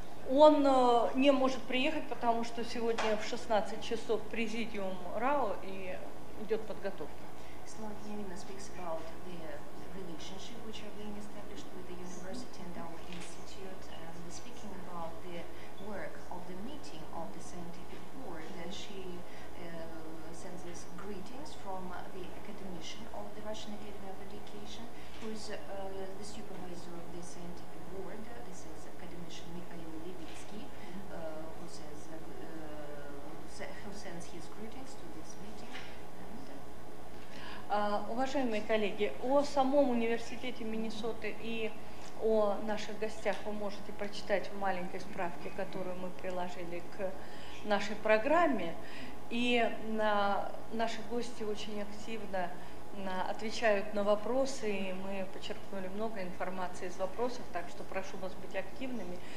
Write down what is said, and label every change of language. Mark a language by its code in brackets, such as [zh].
[ru] Он не может приехать, потому что сегодня в 16 часов президиум РАО и идет подготовка. [en] Слава Янина speaks about the relationship which are being established with the university and our institute, and speaking about the work of the meeting of the scientific board, then she sends us greetings from the academician of the Russian Academy of Education, who is the supervisor of the scientific board. This is academician Mikhail Levitsky, who sends his greetings to this meeting. [ru] Уважаемые коллеги, о самом университете Миннесоты и о наших гостях вы можете прочитать в маленькой справке, которую мы приложили к нашей программе. И наши гости очень активно отвечают на вопросы, и мы почерпнули много информации из вопросов, так что прошу вас быть активными.